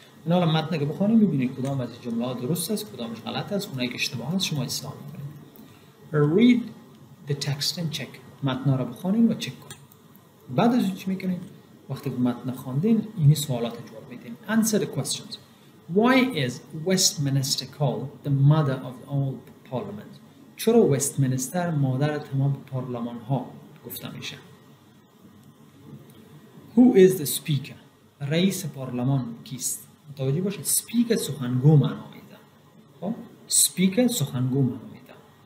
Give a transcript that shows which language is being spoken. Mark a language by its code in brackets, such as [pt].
[fa] این حالا متن که بخونیم ببینید کدام از این جمله‌ها درست است، کدامش غلط است، اونایی که اشتباه است شما اصلاح می‌کنید. [en] Read the text and check. [fa] متن را بخونیم و چک کنیم. بعد از چی می‌کنید؟ وقتی متن خواندین، اینی سوالات جواب بدین. [en] Answer the questions. Why is Westminster called the mother of all parliament? [fa] چرا وستمینستر مادر تمام پارلمان‌ها گفته میشه؟ [en] Who is the speaker? [fa] رئیس پارلمان کیست؟ متوجه باشید speaker سخنگو معنی میده. خب speaker سخنگو معنی میده.